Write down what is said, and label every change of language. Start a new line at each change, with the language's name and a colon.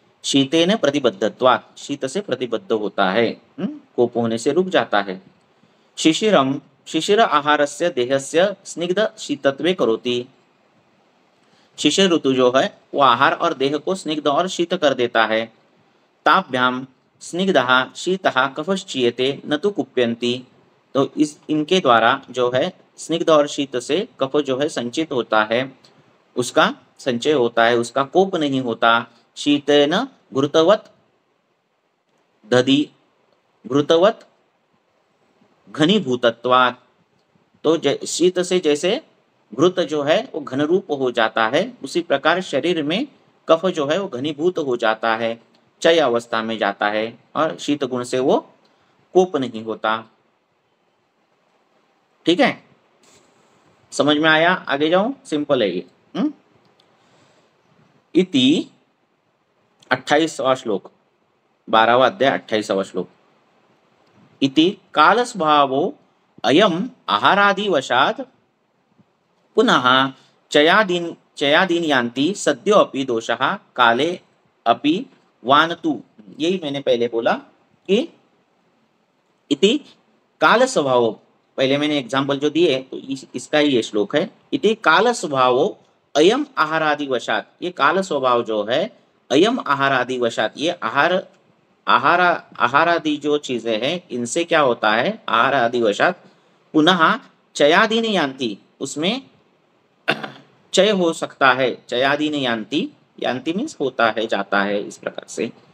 Sanskrit: शीतेन प्रतिबद्धत्वात्,
Hindi: शीत से प्रतिबद्ध होता है, कोप होने से रुक जाता है।
Sanskrit: शिशिरम शिशिर आहारस्य देहस्य स्निग्ध शीतत्वे करोति।
Hindi: शिशिर ऋतु जो है वो आहार और देह को स्निग्ध और शीत कर देता है।
Sanskrit: ताभ्याम स्निग्धः शीतः कफश्चीयते न तु कुप्यन्ति।
Hindi: तो इस इनके द्वारा जो है स्निग्ध और शीत से कफ जो है संचित होता है, उसका संचय होता है, उसका कोप नहीं होता।
Sanskrit: शीतेन घृतवत् दधि घृतवत् घनीभूतत्वात्,
Hindi: तो शीत से जैसे घृत जो है वो घनरूप हो जाता है, उसी प्रकार शरीर में कफ जो है वो घनीभूत हो जाता है, चय अवस्था में जाता है और शीत गुण से वो कोप नहीं होता। ठीक है, समझ में आया? आगे जाऊं, सिंपल है ये। इति 28वां श्लोक, 12वां अध्याय 28वां श्लोक।
Sanskrit: इति कालस्भावो अयम आहारादि वशात् पुनः चयादीन चयादीन यान्ति सद्यो अपि दोषः काले अपि वानतु।
Hindi: यही मैंने पहले बोला कि
Sanskrit: इति कालस्भावो,
Hindi: पहले मैंने एग्जाम्पल जो दिए तो इसका ही ये श्लोक है। इति काल स्वभावो अयम आहारादि वशात, ये काल स्वभाव जो है अयम आहारादि वशात, ये आहार आहारादि जो चीजें हैं इनसे क्या होता है आहारादि वशात
Sanskrit: पुनः चयादीन यान्ति,
Hindi: उसमें चय हो सकता है, चयादीन यान्ति, यान्ति मीन्स होता है जाता है इस प्रकार से।